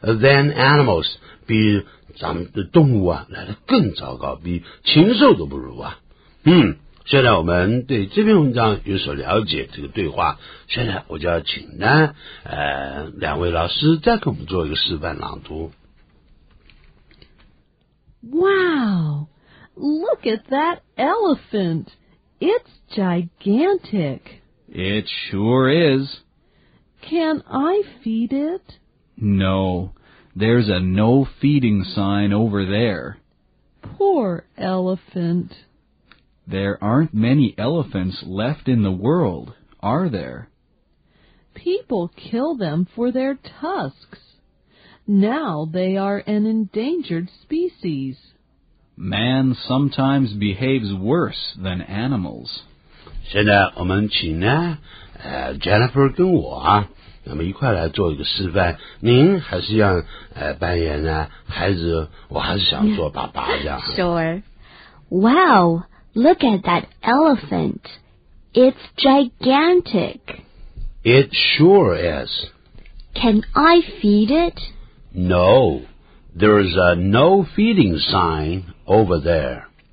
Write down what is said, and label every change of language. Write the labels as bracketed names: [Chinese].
[Chinese] than animals， 比咱们的动物啊来得更糟糕，比禽兽都不如啊。嗯，现在我们对这篇文章有所了解，这个对话，现在我就要请呢两位老师再给我们做一个示范朗读。 [English] Wow, look at that elephant. It's gigantic. It sure is. Can I feed it? No. There's a no feeding sign over there. Poor elephant. There aren't many elephants left in the world, are there? People kill them for their tusks. Now they are an endangered species. Man sometimes behaves worse than animals. [Chinese] 现在我们请呢Jennifer 跟我啊那么一块来做一个示范，您还是要扮演呢孩子，我还是想做爸爸这样。 [English] Sure. Wow, look at that elephant. It's gigantic. It sure is. Can I feed it? No, there's a no feeding sign over there.